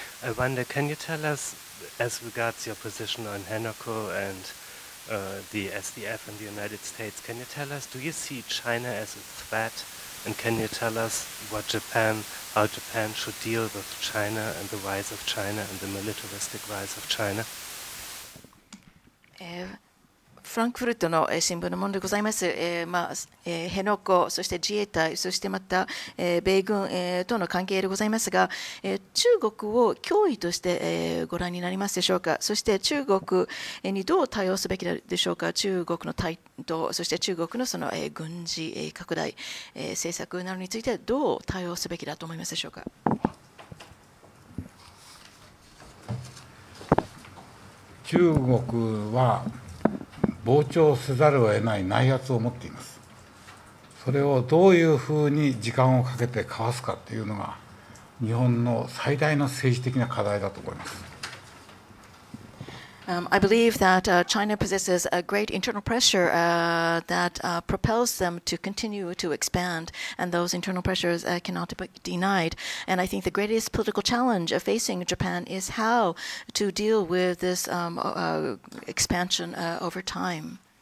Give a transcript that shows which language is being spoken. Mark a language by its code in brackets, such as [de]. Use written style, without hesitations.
[en] I wonder, can you tell us, as regards your position on Hanako and the SDF in the United States, can you tell us, do you see China as a threat, and can you tell us what Japan, how Japan should deal with China and the rise of China and the militaristic rise of China? [ja] フランクフルトの新聞のものでございます。辺野古、そして自衛隊、そしてまた米軍との関係でございますが、中国を脅威としてご覧になりますでしょうか。そして中国にどう対応すべきでしょうか。中国の台頭、そして中国のその軍事拡大政策などについてどう対応すべきだと思いますでしょうか。中国は膨張せざるを得ない内圧を持っています。それをどういうふうに時間をかけてかわすかというのが日本の最大の政治的な課題だと思います。 [en] I believe that China possesses a great internal pressure that propels them to continue to expand, and those internal pressures cannot be denied. And I think the greatest political challenge facing Japan is how to deal with this expansion over time.